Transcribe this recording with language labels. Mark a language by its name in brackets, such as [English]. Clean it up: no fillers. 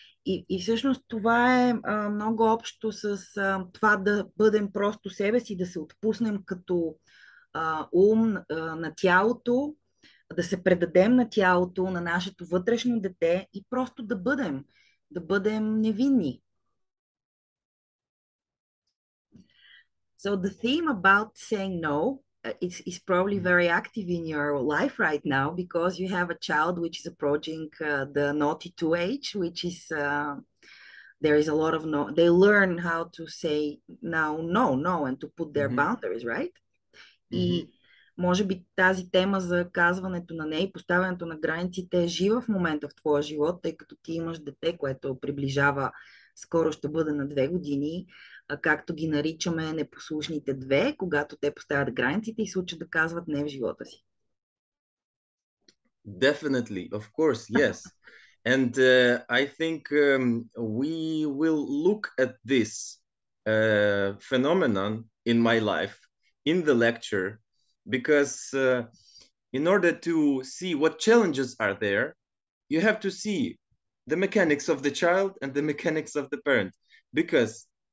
[Bulgarian] И всъщност това е много общо с това да бъдем просто себе си, да се отпуснем като ум на тялото, да се предадем на тялото, на нашето вътрешно дете и просто да бъдем невинни. [English] So the theme about saying no is probably very active in your life right now because you have a child which is approaching the naughty two age, which is there is a lot of no. They learn how to say now no and to put their mm-hmm. boundaries, right? [Bulgarian] Mm-hmm. И може би тази тема за казването на не и поставянето на границите е жива в момента в твоя живот, тъй като ти имаш дете, което приближава скоро ще бъде на 2 години. Както ги наричаме непослушните две, когато те поставят границите и се учат да казват не в живота си. [English] Definitely, of course, yes. And I think we will look at this phenomenon in my life, in the lecture, because in order to see what challenges are there, you have to see the mechanics of the child and the mechanics of the parent, because